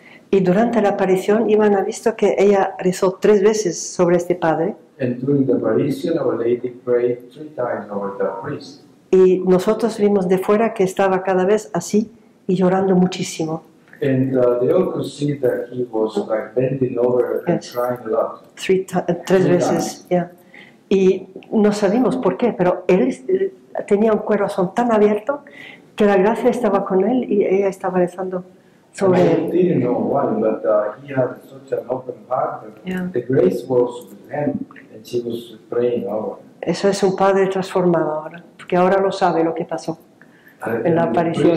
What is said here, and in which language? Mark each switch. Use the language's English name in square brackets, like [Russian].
[Spanish] Y durante la aparición, Iván ha visto que ella rezó tres veces sobre este padre. [English] And during the apparition, our lady prayed three times over the priest. [Spanish] Y nosotros vimos de fuera que estaba cada vez así y llorando muchísimo. [English] And they all could see that he was like bending over and crying a lot. [Spanish] Tres veces, yeah. Y no sabemos por qué, pero él tenía un corazón tan abierto que la gracia estaba con él y ella estaba rezando sobre él. [English] I didn't know why, but he had such an open heart. The grace was with him, and she was praying over. [Spanish] Eso es un padre transformado ahora, porque ahora lo sabe lo que pasó en la aparición.